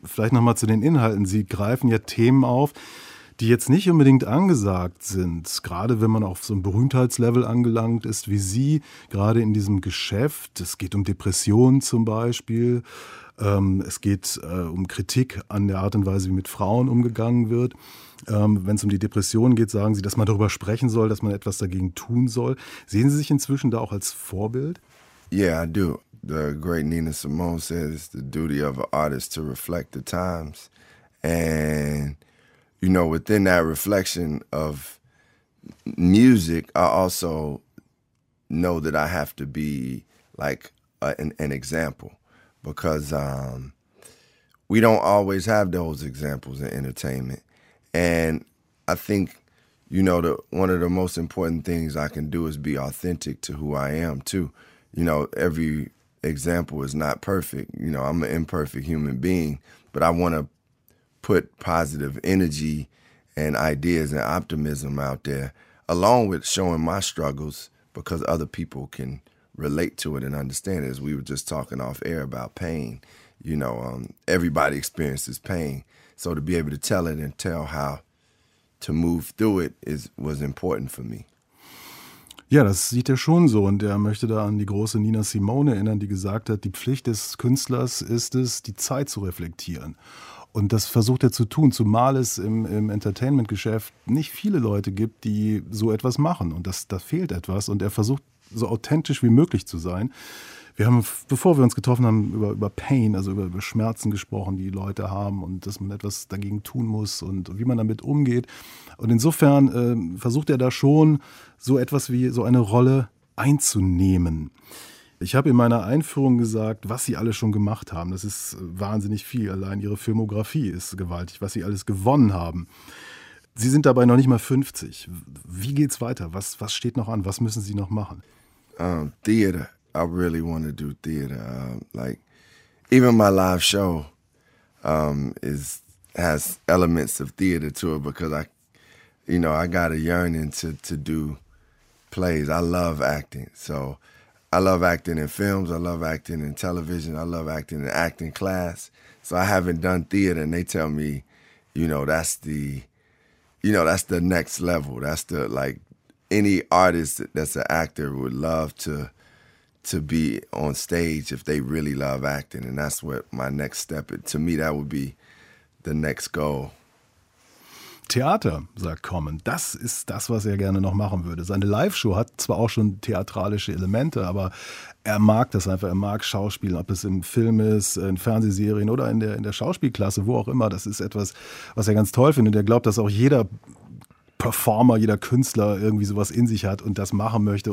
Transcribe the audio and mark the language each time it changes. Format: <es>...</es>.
<de>Vielleicht nochmal zu den Inhalten. Sie greifen ja Themen auf, die jetzt nicht unbedingt angesagt sind, gerade wenn man auf so ein Berühmtheitslevel angelangt ist wie Sie, gerade in diesem Geschäft. Es geht um Depressionen zum Beispiel, es geht um Kritik an der Art und Weise, wie mit Frauen umgegangen wird. Wenn es um die Depressionen geht, sagen Sie, dass man darüber sprechen soll, dass man etwas dagegen tun soll. Sehen Sie sich inzwischen da auch als Vorbild?</de> <en>Yeah, I do. The great Nina Simone says it's the duty of an artist to reflect the times. And you know, within that reflection of music, I also know that I have to be like an example, because we don't always have those examples in entertainment. And I think, you know, one of the most important things I can do is be authentic to who I am too. You know, every example is not perfect. You know, I'm an imperfect human being, but I want to put positive energy and ideas and optimism out there, along with showing my struggles, because other people can relate to it and understand it. As we were just talking off air about pain, you know, everybody experiences pain. So to be able to tell it and tell how to move through it was important for me.</en> <de>Ja, das sieht er schon so, und er möchte da an die große Nina Simone erinnern, die gesagt hat, die Pflicht des Künstlers ist es, die Zeit zu reflektieren. Und das versucht er zu tun, zumal es im Entertainment-Geschäft nicht viele Leute gibt, die so etwas machen. Und da fehlt etwas. Und er versucht, so authentisch wie möglich zu sein. Wir haben, bevor wir uns getroffen haben, über Pain, also über Schmerzen gesprochen, die Leute haben, und dass man etwas dagegen tun muss und wie man damit umgeht. Und insofern versucht er da schon, so etwas wie so eine Rolle einzunehmen. Ich habe in meiner Einführung gesagt, was Sie alle schon gemacht haben. Das ist wahnsinnig viel. Allein Ihre Filmografie ist gewaltig, was Sie alles gewonnen haben. Sie sind dabei noch nicht mal 50. Wie geht's weiter? Was steht noch an? Was müssen Sie noch machen?</de> <en>Theater. I really want to do theater. Like, even my live show has elements of theater to it because I got a yearning to do plays. I love acting. So I love acting in films. I love acting in television. I love acting in acting class. So I haven't done theater. And they tell me, that's the next level. That's the, like, any artist that's an actor would love to be on stage if they really love acting. And that's what my next step, to me, that would be the next goal.</en> <de>Theater, sagt Common, das ist das, was er gerne noch machen würde. Seine Live-Show hat zwar auch schon theatralische Elemente, aber er mag das einfach, er mag Schauspielen, ob es im Film ist, in Fernsehserien oder in der Schauspielklasse, wo auch immer. Das ist etwas, was er ganz toll findet. Und er glaubt, dass auch jeder Performer, jeder Künstler irgendwie sowas in sich hat und das machen möchte.</de>